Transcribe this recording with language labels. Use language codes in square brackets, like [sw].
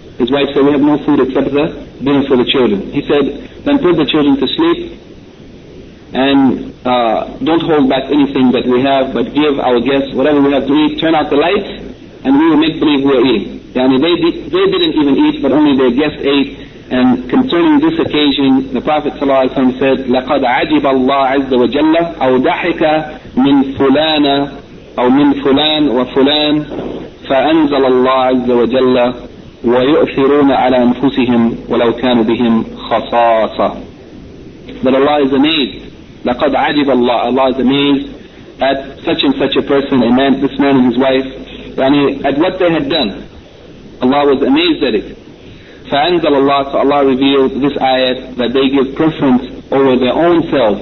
[en] His wife said, we have no food except the dinner for the children. He said, then put the children to sleep, and don't hold back anything that we have, but give our guests whatever we have to eat, turn out the lights, and we will make believe we are eating. Yani they didn't even eat, but only their guests ate. And concerning this occasion, the Prophet ﷺ said, [ar] لَقَدْ عَجِبَ اللَّهُ عَزَّ وَجَلَّ أَوْ دَحِكَ مِنْ فُلَانَ أَوْ مِنْ فُلَانَ وَفُلَانَ فَأَنزَلَ اللَّهُ عَزَّ وَجَلَّ وَيُؤْثِرُونَ عَلَى أَنفُسِهِمْ وَلَوْ كَانُوا بِهِمْ خَصَاصَةً. [en] But Allah is amazed. [ar] لَقَدْ عَجِبَ اللَّهُ. [en] Allah is amazed at such and such a person, a man, this man and his wife, yani at what they had done. Allah was amazed at it. [ar] فَأَنزَلَ اللَّهُ, [en] so Allah revealed this ayat, that they give preference over their own selves.